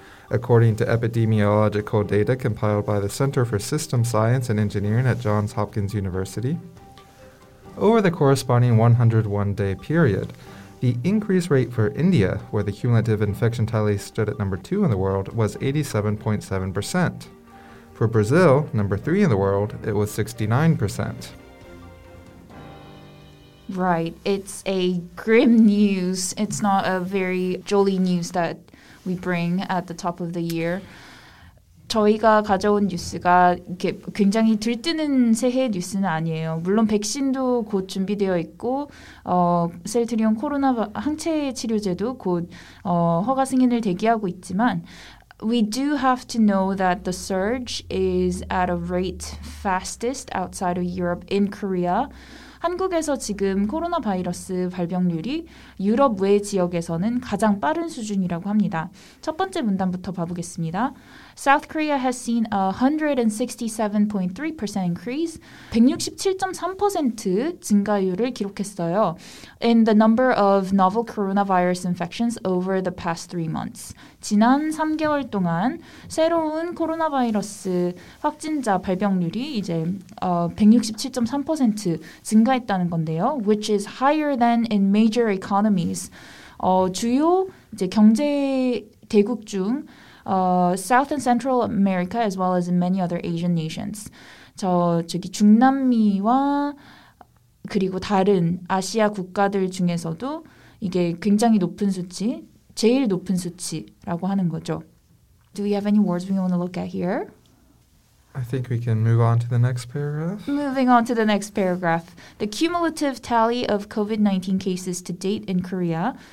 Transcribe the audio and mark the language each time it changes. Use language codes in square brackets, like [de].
[en] According to epidemiological data compiled by the Center for System Science and Engineering at Johns Hopkins University, over the corresponding 101-day period, the increase rate for India, where the cumulative infection tally stood at number 2 in the world, was 87.7%. For Brazil, number 3 in the world, it was 69%. Right. It's a grim news. It's not a very jolly news that we bring at the top of the year. [ko] 저희가 가져온 뉴스가 이렇게 굉장히 들뜨는 새해 뉴스는 아니에요. 물론 백신도 곧 준비되어 있고 셀트리온 코로나 항체 치료제도 곧 허가 승인을 대기하고 있지만 [en] we do have to know that the surge is at a rate fastest outside of Europe in Korea. [ko] 한국에서 지금 코로나 바이러스 발병률이 유럽 외 지역에서는 가장 빠른 수준이라고 합니다. 첫 번째 문단부터 봐보겠습니다. [en] South Korea has seen a 167.3% increase, 167.3% [ko] 증가율을 기록했어요. [en] In the number of novel coronavirus infections over the past 3 months. [ko] 지난 3개월 동안 새로운 코로나 바이러스 확진자 발병률이 이제 167.3% 증가했다는 건데요. [en] Which is higher than in major economies. [ko] 주요 이제 경제 대국 중 [en] South and Central America, as well as in many other Asian nations. [ko] 저기 중남미와 그리고 다른 아시아 국가들 중에서도 이게 굉장히 높은 수치, 제일 높은 수치라고 하는 거죠. [en] Do we have any words we want to look at here? I think we can move on to the next paragraph. Moving on to the next paragraph. The cumulative tally of COVID-19 cases to date in Korea.